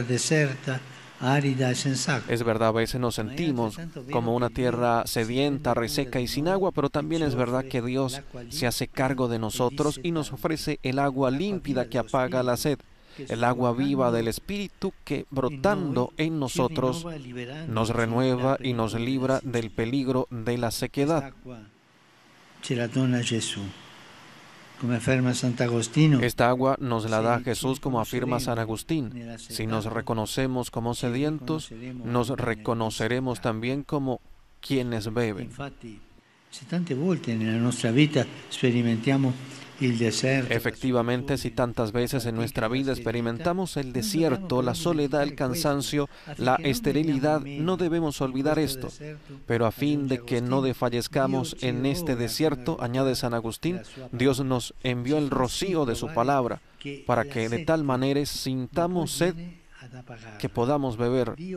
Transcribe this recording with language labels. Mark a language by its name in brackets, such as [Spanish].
[Spanish] Es verdad, a veces nos sentimos como una tierra sedienta, reseca y sin agua, pero también es verdad que Dios se hace cargo de nosotros y nos ofrece el agua límpida que apaga la sed, el agua viva del Espíritu que, brotando en nosotros, nos renueva y nos libra del peligro de la sequedad. [Italian] Ce la dona Gesù, come afferma Sant'Agostino. [Spanish] Esta agua nos la da Jesús, como afirma San Agustín. Si nos reconocemos como sedientos, nos reconoceremos también como quienes beben. [Italian] Se tante volte nella nostra vita sperimentiamo il deserto. [Spanish] Efectivamente, si tantas veces en nuestra vida experimentamos el desierto, la soledad, el cansancio, la esterilidad, no debemos olvidar esto. Pero a fin de que no desfallezcamos en este desierto, añade San Agustín, Dios nos envió el rocío de su palabra para que de tal manera sintamos sed que podamos beber.